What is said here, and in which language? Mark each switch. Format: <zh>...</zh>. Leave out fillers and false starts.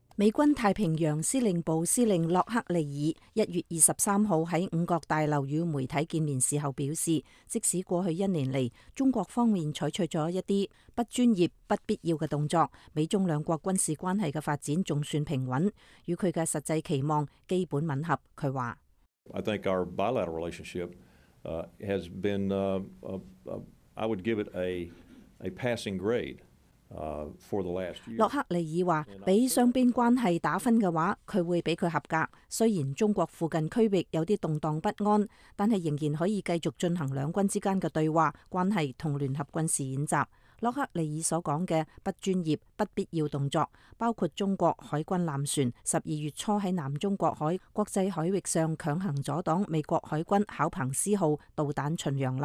<zh>美军太平洋司令部司令洛克利尔1月23号在五角大楼与媒体见面时候表示，即使过去一年来中国方面采取了一些不专业不必要的动作，美中两国军事关系的发展还算平稳，与他的实际期望基本吻合。他说，</zh> <en>I think our bilateral relationship has been, I would give it a passing grade for the last year.</en> <zh>洛克利尔说，比双边关系打分的话，他会比他合格。虽然中国附近区域有些动荡不安，但是仍然可以继续进行两军之间的对话、关系和联合军事演习。洛克利尔所说的不专业不必要动作，包括中国海军舰船12月初在南中国海国际海域上强行阻挡美国海军考彭斯号导弹巡洋舰。</zh>